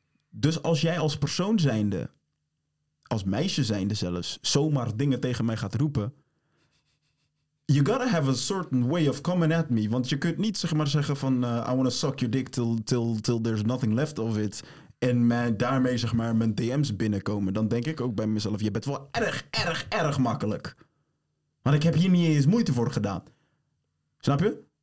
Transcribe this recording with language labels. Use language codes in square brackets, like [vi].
[nl] Dus als jij als persoon zijnde... Als meisje zijnde zelfs... Zomaar dingen tegen mij gaat roepen... [en] You gotta have a certain way of coming at me. [nl] Want je kunt niet zeg maar zeggen van... [en] I wanna suck your dick till there's nothing left of it. [nl] En daarmee zeg maar mijn DM's binnenkomen. Dan denk ik ook bij mezelf... Je bent wel erg makkelijk... Maar ik heb hier niet eens moeite voor gedaan. Snap je?